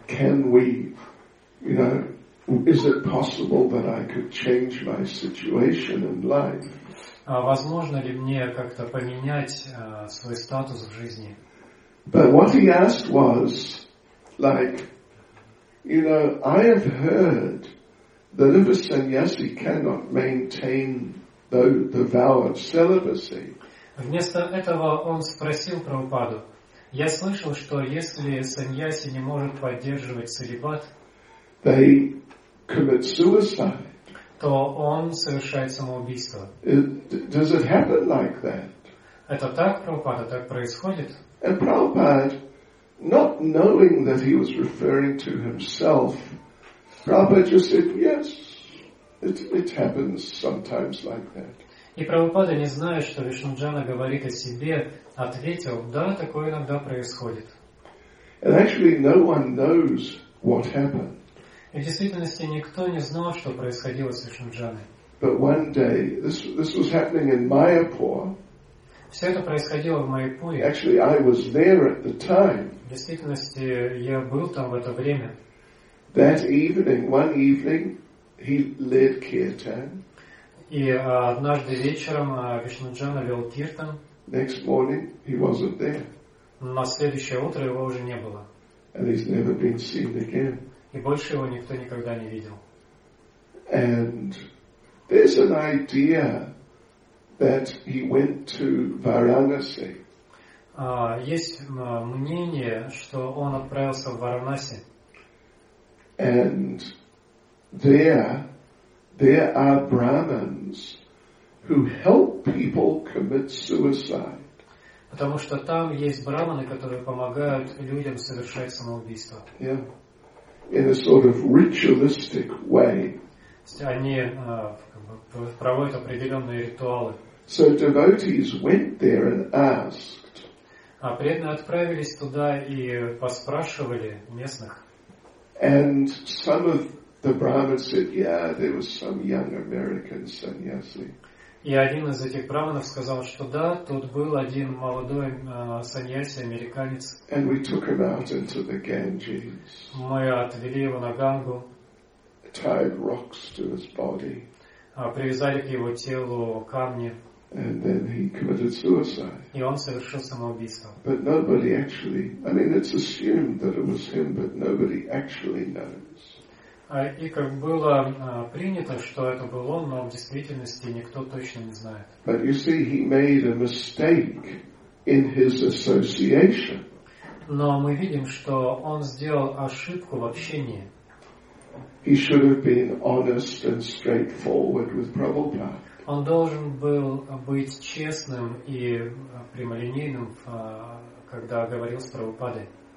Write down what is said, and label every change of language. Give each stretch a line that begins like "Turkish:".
English: Can we, you know, is it possible that I could change my situation in life?
Russian: Возможно ли мне как-то поменять свой статус в жизни?
English: But what he asked was, like, you know, I have heard that if a sannyasi cannot maintain the vow of celibacy.
Russian: Вместо этого он спросил Прабхупаду: я слышал, что если саньяси не может поддерживать целибат,
English: they commit suicide.
Russian: То он совершает самоубийство.
English: Does it happen like that?
Russian: Это так, Прабхупада, так происходит?
English: And Prabhupada, not knowing that he was referring to himself, Prabhupada just said, yes, it happens sometimes like that.
Russian: И Прабхупада, не зная, что Вишнуджана говорит о себе, ответил: да, такое иногда происходит.
English: And actually no one knows what happened.
Russian: И в действительности никто не знал, что происходило с Вишнуджаной.
English: But one day, this was happening in Mayapur.
Russian: Все это происходило в Майяпуре.
English: Actually, I was there at the time.
Russian: В действительности я был там в это время.
English: That evening, one evening, he led kirtan.
Russian: И однажды вечером Вишнуджана вел киртан.
English: Next morning, he wasn't there.
Russian: На следующее утро его уже не было.
English: And he's never been seen again.
Russian: И больше его никто никогда не видел.
English: And there's an idea that he went to Varanasi.
Russian: Есть мнение, что он отправился в Варанаси.
English: And there are Brahmins who help people commit suicide.
Russian: Потому что там есть брахманы, которые помогают людям совершать самоубийство.
English: Yeah. In a sort of ritualistic way.
Russian: Они проводят определенные ритуалы.
English: So devotees went there and asked.
Russian: А преданные отправились туда и поспрашивали местных.
English: And some of the brahmins said, yeah, there was some young American sannyasi.
Russian: И один из этих брахманов сказал, что да, тут был один молодой саньяси, американец.
English: And we took him out into the Ganges.
Russian: Мы отвели его на Гангу.
English: Tied rocks to his body.
Russian: Привязали к его телу камни.
English: And then he committed suicide.
Russian: И он совершил самоубийство.
English: But nobody actually, I mean, it's assumed that it was him, but nobody actually knows.
Russian: И как было принято, что это был он, но в действительности никто точно не знает.
English: But you see, he made a mistake in his association.
Russian: Но мы видим, что он сделал ошибку в общении.
English: He should have been honest and straightforward with Prabhupada.
Russian: Он должен был быть честным и прямолинейным, когда говорил с Прабхупадой.